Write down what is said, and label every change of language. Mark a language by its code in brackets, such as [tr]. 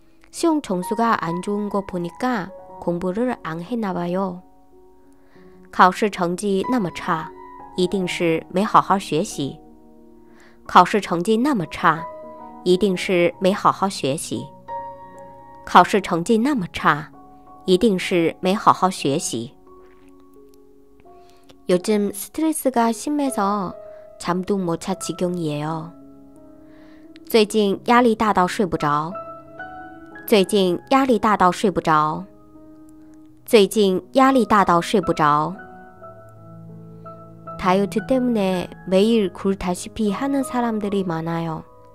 [ko] 시험 점수가 안 좋은 거 보니까 공부를 안 했나 봐요. [zh] 考试成绩那么差，一定是没好好学习。考试成绩那么差，一定是没好好学习。考试成绩那么差，一定是没好好学习。 [ko] 요즘 스트레스가 심해서 잠도 못 자 지경이에요. [zh] 最近压力大到睡不着。最近压力大到睡不着。最近压力大到睡不着。 [ko] 다이어트 때문에 매일 굶다시피 하는 사람들이 많아요.